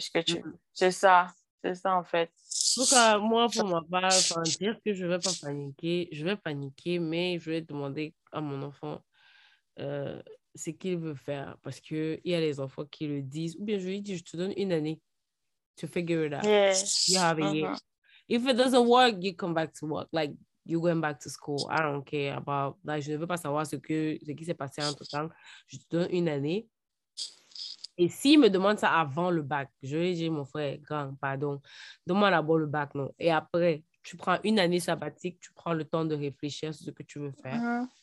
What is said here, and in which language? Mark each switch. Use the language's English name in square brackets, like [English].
[French] ce que tu. C'est ça en fait. Pourquoi moi, pour ma part, enfin, dire que je ne vais pas paniquer, je vais paniquer, mais je vais demander à mon enfant ce qu'il veut faire. Parce qu'il y a les enfants qui le disent, ou bien je lui dis, je te donne une année [English] to figure it out. You have a year. If it doesn't work, you come back to work. Like, you're going back to school. I don't care about. [French] Like, je ne veux pas savoir ce qui s'est passé entre temps. Je te donne une année. Et s'il me demande ça avant le bac, je lui dis, mon frère, grand, pardon, demande d'abord le bac, non. Et après, tu prends une année sabbatique, tu prends le temps de réfléchir sur ce que tu veux faire.